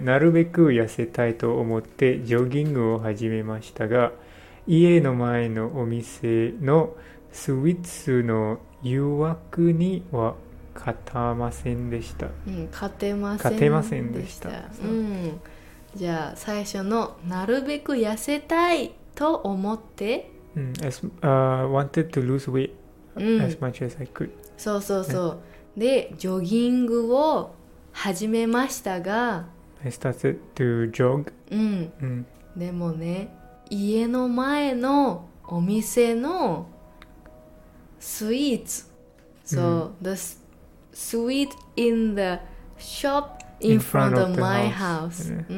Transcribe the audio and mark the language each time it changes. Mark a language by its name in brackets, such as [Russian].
[Japanese] なるべく痩せたいと思ってジョギングを始めましたが、家の前のお店のスイーツの誘惑には、勝てませんでした、うん、勝てませんでした、勝てませんでした、うん、じゃあ最初のなるべく痩せたいと思って、 [English] うん、wanted to lose weight as much as I could、 [Japanese] うん、そうそうそう、ね、でジョギングを始めましたが [English] I started to jog、うんうん、 [Japanese] でもね家の前のお店のスイーツ、うん、そう、うん、 [English] theSweet in the shop in front of my house、yeah.